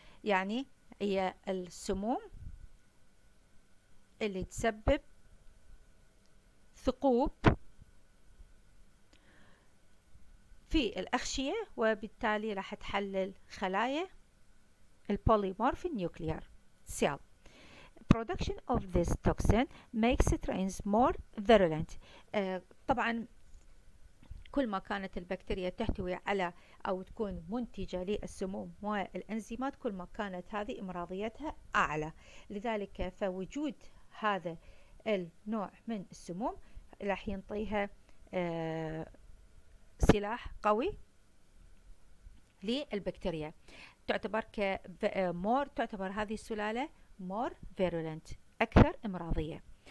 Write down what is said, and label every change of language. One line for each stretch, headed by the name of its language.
Arabic: يعني هي السموم اللي تسبب ثقوب في الأغشية، وبالتالي راح تحلل خلايا البوليمورف النيوكليار سيل.
English: Production of this toxin makes strains more virulent.
Arabic: طبعا كل ما كانت البكتيريا تحتوي على أو تكون منتجة للسموم والإنزيمات، كل ما كانت هذه إمراضيتها أعلى. لذلك فوجود هذا النوع من السموم راح ينطيها سلاح قوي للبكتيريا، تعتبر كمور، تعتبر هذه السلالة مور فيرولنت، أكثر إمراضية.